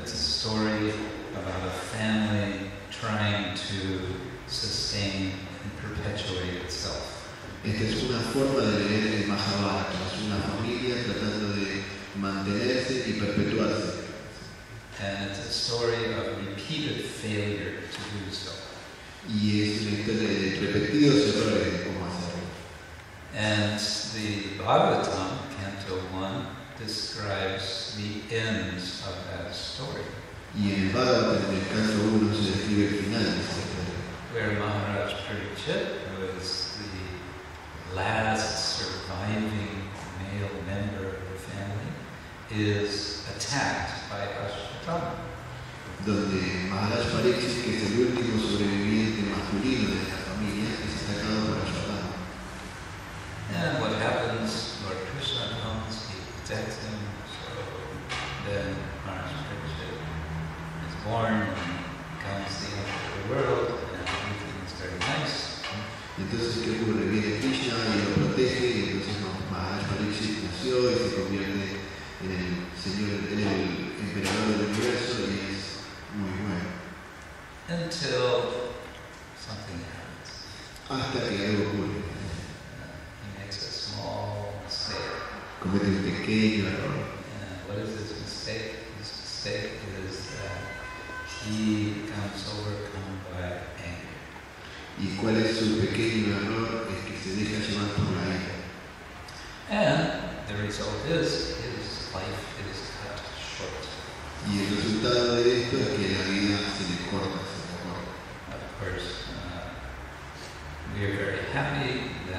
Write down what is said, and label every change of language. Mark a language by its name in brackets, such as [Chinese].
[English] It's a story about a family trying to sustain and perpetuate itself. [Spanish] Esta es una forma de leer el Mahabharata. Es una familia tratando de mantenerse y perpetuarse. [English] And it's a story of repeated failure to do so. [Spanish] Y es una historia de repetidos errores de cómo hacerlo. [English] And the Bhagavatam, Canto 1, describes the end of that story. [Spanish] Y en el Bhagavatam, el Canto 1, se describe el final de esa historia. [English] Where Maharaj Parikshit, who is the last surviving male member of the family, is attacked by Ashwatthama. [Spanish] Donde Maharaj Parikshit, que es el último sobreviviente masculino de la familia, es atacado por Ashwatthama. [English] And what happens? Lord Krishna comes, he protects him, so then Maharaj Parikshit is born and comes to the end of the world and everything is very nice. [Spanish] Entonces, ¿qué ocurre? Viene Krishna y lo protege, y entonces no, Maharaj Parikshit nació y se convierte en el Señor, en el emperador del universo, y es muy bueno. [English] Until something happens. [Spanish] Hasta que algo ocurre. [English] He makes a small mistake. [Spanish] Comete un pequeño error. [English] What is this mistake? This mistake is that he becomes overcome by anger. [Spanish] ¿Y cuál es su pequeño error? Es que se deja llevar por la ira. [English] And the result is his life is cut short. [Spanish] Y el resultado de esto es que la vida se le corta. [English] Of course, we are very happy